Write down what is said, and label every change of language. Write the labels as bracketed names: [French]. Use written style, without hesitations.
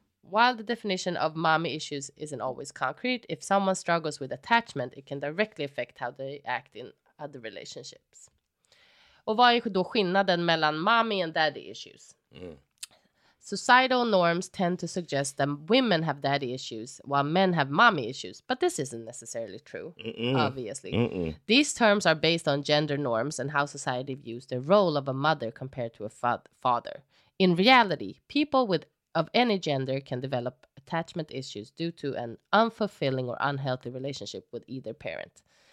[English] While the definition of mommy issues isn't always concrete, if someone struggles with attachment, it can directly affect how they act in other relationships. [Swedish] Och vad är då skillnaden mellan [English] mommy and daddy issues? Societal norms tend to suggest that women have daddy issues while men have mommy issues, but this isn't necessarily true, obviously. These terms are based on gender norms and how society views the role of a mother compared to a father. In reality, people with of any gender can develop attachment issues due to an unfulfilling or unhealthy relationship with either parent.